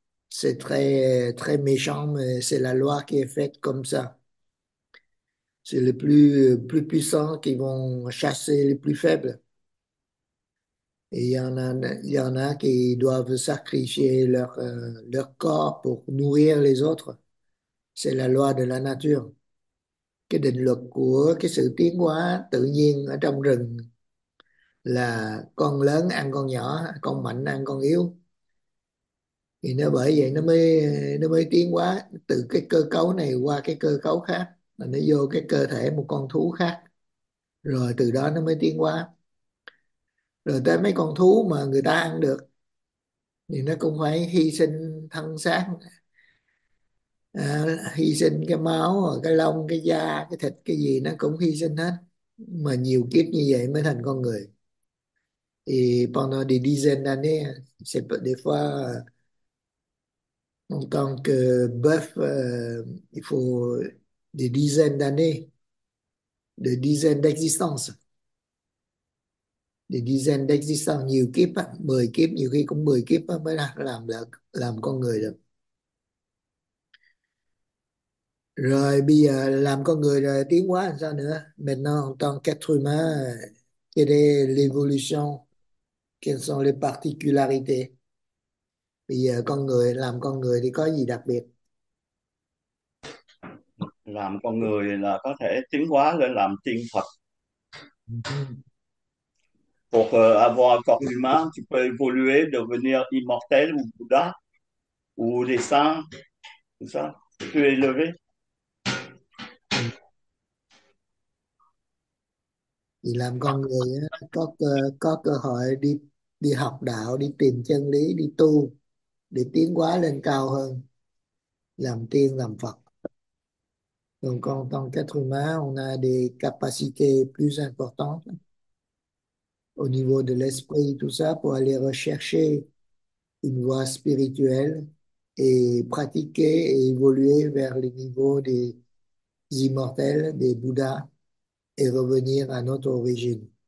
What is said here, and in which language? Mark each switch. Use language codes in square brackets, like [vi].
[fr] C'est très, très méchant, mais c'est la loi qui est faite comme ça. C'est les plus puissants qui vont chasser les plus faibles. Et il y en a qui doivent sacrifier leur corps pour nourrir les autres. C'est la loi de la nature. [vi] Cái định luật của cái sự tiến hóa tự nhiên ở trong rừng là con lớn ăn con nhỏ, con mạnh ăn con yếu. Thì nó bởi vậy nó mới tiến hóa từ cái cơ cấu này qua cái cơ cấu khác, là nó vô cái cơ thể một con thú khác. Rồi từ đó nó mới tiến hóa. Rồi tới mấy con thú mà người ta ăn được thì nó cũng phải hy sinh thân xác, hy sinh cái máu, cái lông, cái da, cái thịt, cái gì nó cũng hy sinh hết. Mà nhiều kiếp như vậy mới thành con người. [fr] Et pendant des dizaines d'années, c'est des fois en tant que bœuf, il faut des dizaines d'années, des dizaines d'existence. Des dizaines d'existence, [vi] nhiều kiếp, 10 kiếp, nhiều khi cũng 10 kiếp mới làm con người được. Rồi bây giờ làm con người rồi tiến hóa làm sao nữa? [fr] Maintenant, en tant qu'être humain, quelle est l'évolution? Quelles sont les particularités? [vi] Bây giờ con người, làm con người thì có gì đặc biệt? Làm con người là có thể tiến hóa lên làm tiên Phật. [fr] Pour avoir corps humain, tu peux évoluer, devenir immortel ou Bouddha ou des saints, tout ça, plus élevé. [vi] Làm con người có cơ hội đi đi học đạo, đi tìm chân lý, đi tu để tiến hóa lên cao hơn, làm tiên làm Phật. [fr] Donc en tant qu'être humain, on a des capacités plus importantes au niveau de l'esprit, tout ça, pour aller rechercher une voie spirituelle et pratiquer et évoluer vers le niveau des immortels, des Bouddhas, et revenir à notre origine.